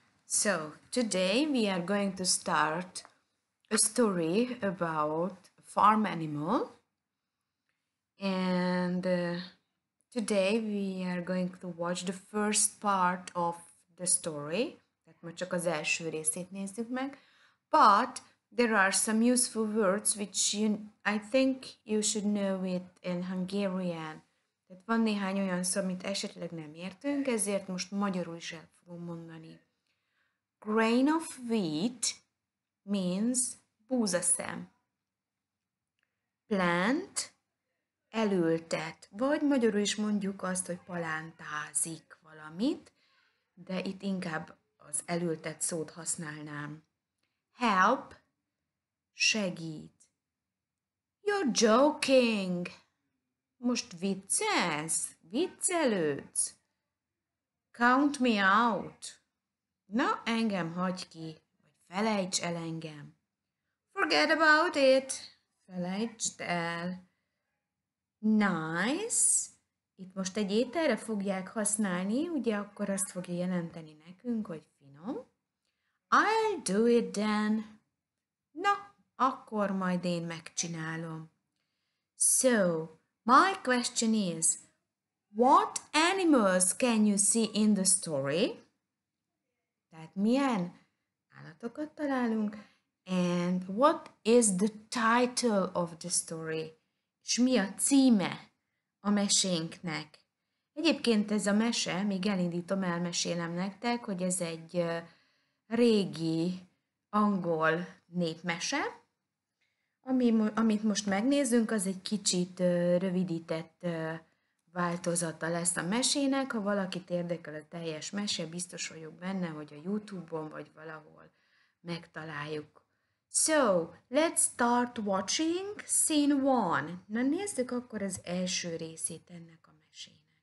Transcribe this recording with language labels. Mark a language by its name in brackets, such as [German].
[English] So, today we are going to start a story about a farm animal. And today we are going to watch the first part of the story. [Hungarian] Tehát most csak az első részét nézzük meg. [English] But there are some useful words which I think you should know it in Hungarian. [Hungarian] Tehát van néhány olyan szó, amit esetleg nem értünk, ezért most magyarul is el fogom mondani. [English] Grain of wheat means búzaszem. [Hungarian] Plant, elültet. Vagy magyarul is mondjuk azt, hogy palántázik valamit, de itt inkább az elültet szót használnám. [English] Help, segít. You're joking. [Hungarian] Most viccelsz? Viccelődsz? [English] Count me out. [Hungarian] Na, engem hagyj ki, vagy felejts el engem. [English] Forget about it. [Hungarian] Felejtsd el. Nice. Itt most egy ételre fogják használni, ugye akkor azt fogja jelenteni nekünk, hogy finom. [English] I'll do it then. [Hungarian] Na, akkor majd én megcsinálom. [English] So, my question is, what animals can you see in the story? [Hungarian] Tehát milyen állatokat találunk, [English] and what is the title of the story, [Hungarian] és mi a címe a mesénknek. Egyébként ez a mese, még elindítom, elmesélem nektek, hogy ez egy régi angol népmese. Amit most megnézünk, az egy kicsit rövidített változata lesz a mesének. Ha valakit érdekel a teljes mese, biztos vagyok benne, hogy a YouTube-on vagy valahol megtaláljuk. [English] So, let's start watching scene one. [Hungarian] Na nézzük akkor az első részét ennek a mesének.